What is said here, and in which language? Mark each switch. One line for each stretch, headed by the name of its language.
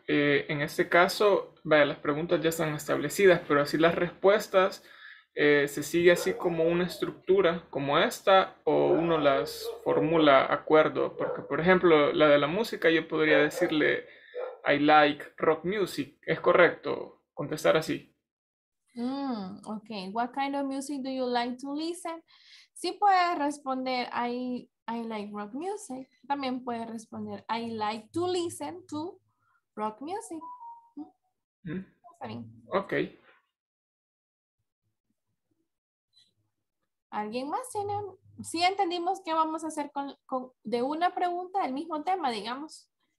Spanish: En este caso, vaya, las preguntas ya están establecidas, pero así las respuestas, ¿se sigue así como una estructura como esta o uno las formula acuerdo? Porque, por ejemplo, la de la música, yo podría decirle,
English: I like rock music.
Spanish: ¿Es correcto contestar así? Ok.
English: What kind of music do you like to listen?
Spanish: Sí puede responder,
English: I like rock music.
Spanish: También puede responder,
English: I like to listen to rock music.
Spanish: Ok. ¿Alguien más tiene? Sí entendimos qué vamos a hacer con de una pregunta del mismo tema, digamos.